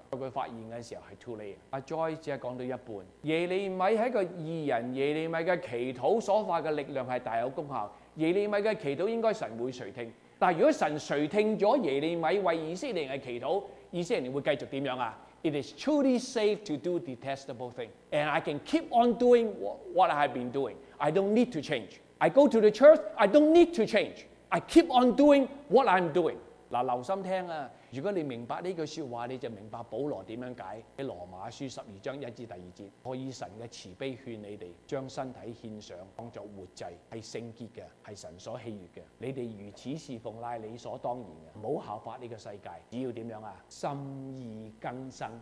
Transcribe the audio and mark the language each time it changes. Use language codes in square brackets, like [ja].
[zh] 他发现的时候是 [en] too late。 [zh] Joy 只是讲到一半，耶利米是一个义人，耶利米的祈祷所发的力量是大有功效，耶利米的祈祷应该神会垂听。但如果神垂听了耶利米为以色列人的祈祷，以色列人会继续怎样？ [en] It is truly safe to do detestable thing， and I can keep on doing what I have been doing， I don't need to change， I go to the church， I don't need to changeI keep on doing what I'm doing。 [zh] 留心听啊，如果你明白这句说话，你就明白保罗怎样解在罗马书十二章一至第二节，我以神的慈悲劝你们将身体献上当作活祭，是圣洁的，是神所喜悦的，你们如此侍奉乃理所当然的，不要效法这个世界，只要怎样啊，心意更新。